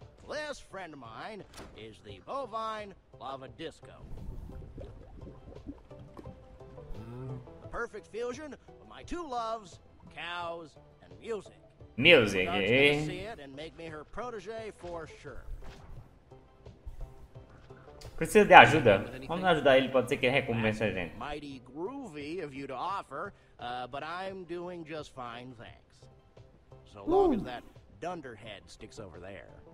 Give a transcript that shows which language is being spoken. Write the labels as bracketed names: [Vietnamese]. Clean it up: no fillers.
[English] This friend of mine is the bovine lava disco. The perfect fusion of my two loves, cows and music. Music, eh? See it and make me her protege for sure. [Portuguese] Precisa de ajuda? Vamos ajudar ele, pode ser que ele recompense a gente. [English] Mighty groovy of you to offer, but I'm doing just fine, thanks. So long as that dunderhead sticks over there.